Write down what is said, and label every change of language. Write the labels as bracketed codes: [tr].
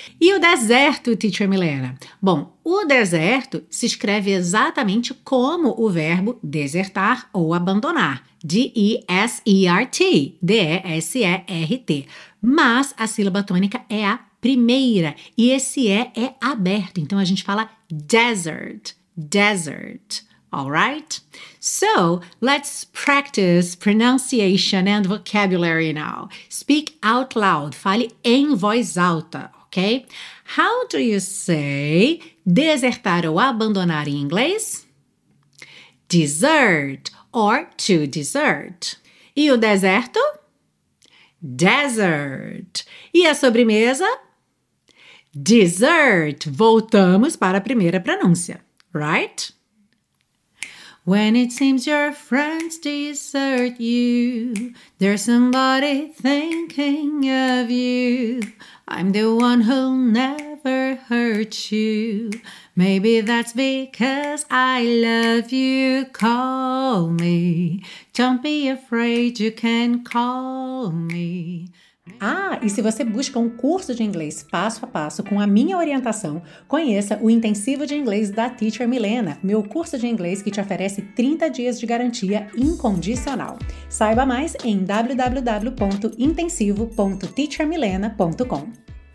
[pt] E o deserto, Teacher Milena? Bom, o deserto se escreve exatamente como o verbo desertar ou abandonar. [en] D-E-S-E-R-T, D-E-S-E-R-T. [pt] Mas a sílaba tônica é a primeira e esse E é aberto. Então a gente fala desert. [en] Desert, all right? So, let's practice pronunciation and vocabulary now. Speak out loud, [pt] fale em voz alta, ok? [en] How do you say [pt] desertar ou abandonar em inglês? [en] Desert, or to desert. [pt] E o deserto? Desert. E a sobremesa? Desert. Voltamos para a primeira pronúncia. [en] Right? When it seems your friends desert you, there's somebody thinking of you. I'm the one who'll never hurt you. Maybe that's because I love you. Call me. Don't be afraid, you can call me. [pt] Ah, e se você busca um curso de inglês passo a passo com a minha orientação, conheça o Intensivo de Inglês da Teacher Milena, meu curso de inglês que te oferece 30 dias de garantia incondicional. Saiba mais em www.intensivo.teachermilena.com.